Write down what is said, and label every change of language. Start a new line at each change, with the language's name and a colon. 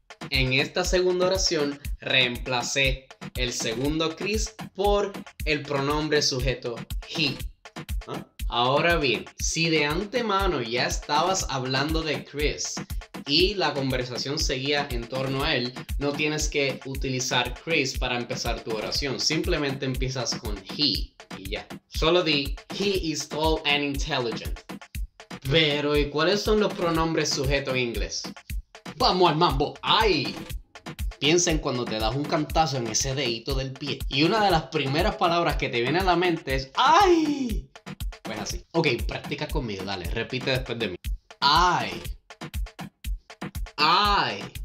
Spanish: En esta segunda oración, reemplacé el segundo Chris por el pronombre sujeto he. ¿Ah? Ahora bien, si de antemano ya estabas hablando de Chris y la conversación seguía en torno a él, no tienes que utilizar Chris para empezar tu oración. Simplemente empiezas con he y ya. Solo di,
English: he is tall and intelligent.
Spanish: Pero, ¿y cuáles son los pronombres sujetos en inglés? ¡Vamos al mambo! ¡Ay! Piensa en cuando te das un cantazo en ese dedito del pie. Y una de las primeras palabras que te viene a la mente es ¡ay! Pues así. Ok, practica conmigo, dale. Repite después de mí. ¡Ay! I.